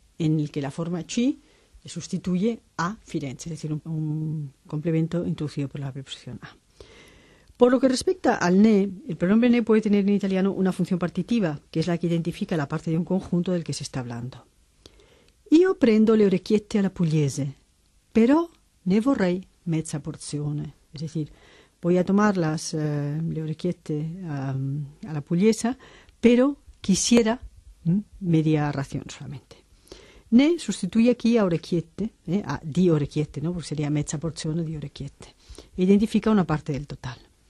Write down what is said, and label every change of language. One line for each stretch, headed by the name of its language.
Spanish: En el que la forma chi sustituye a Firenze, es decir, un complemento introducido por la preposición a. Por lo que respecta al ne, el pronombre ne puede tener en italiano una función partitiva, que es la que identifica la parte de un conjunto del que se está hablando.
Italian: Io prendo le orecchiette alla pugliese, però ne vorrei mezza porzione.
Spanish: Es decir, voy a tomar le orecchiette a la pugliese, pero quisiera media ración solamente. Ne sustituye aquí a orecchiette, a di orecchiette, ¿no? Porque sería
Italian: mezza porzione di orecchiette.
Spanish: Identifica una parte del total.